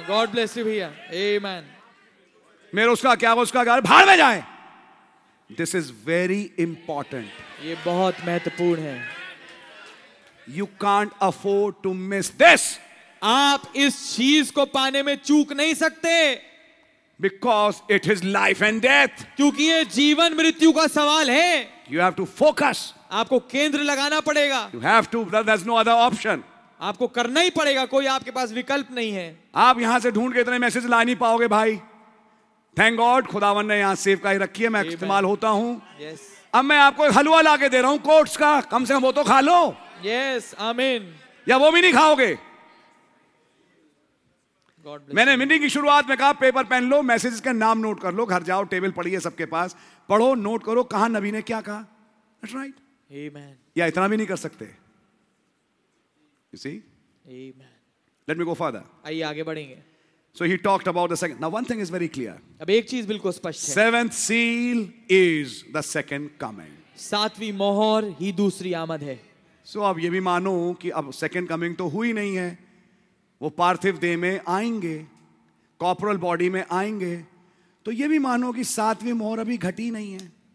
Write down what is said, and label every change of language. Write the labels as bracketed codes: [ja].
[en] God bless you भैया. Amen. [hi] मेरे उसका क्या होगा? उसका घर भाड़ में जाए. [en] This is very important. [hi] ये बहुत महत्वपूर्ण है. [en] You can't afford to miss this. [hi] आप इस चीज को पाने में चूक नहीं सकते. [en] Because it is life and death. [hi] क्योंकि ये जीवन मृत्यु का सवाल है. [en] You have to focus. [hi] आपको केंद्र लगाना पड़ेगा. [en] You have to. There's no other option. [hi] आपको करना ही पड़ेगा, कोई आपके पास विकल्प नहीं है. आप यहां से ढूंढ के इतने मैसेज ला नहीं पाओगे भाई. [en] thank God [hi] खुदावन ने यहां सेवकाई रखी है, मैं इस्तेमाल होता हूं. [en] Yes. [hi] अब मैं आपको हलवा ला के दे रहा हूं कोट्स का, कम से कम वो तो खा लो. [en] Yes, amen. [hi] या वो भी नहीं खाओगे. मैंने मीटिंग की शुरुआत में कहा पेपर पेन लो, मैसेज के नाम नोट कर लो, घर जाओ टेबल पड़ी है सबके पास, पढ़ो नोट करो कहां नबी ने क्या कहा. [en] That's right. Amen. [hi] या इतना भी नहीं कर सकते. [en] You see? Amen. Let me go further. [hi] आइए आगे बढ़ेंगे. [en] So he talked about the second. Now one thing is very clear. [hi] अब एक चीज बिल्कुल स्पष्ट है. [en] Seventh seal is the second coming. [hi] सातवीं मोहर ही दूसरी आमद है. So अब ये भी मानो कि अब सेकेंड कमिंग तो हुई नहीं है. वो पार्थिव देह में आएंगे, कॉर्पोरल बॉडी में आएंगे. तो ये भी मानो कि सातवीं मोहर अभी घटी नहीं है.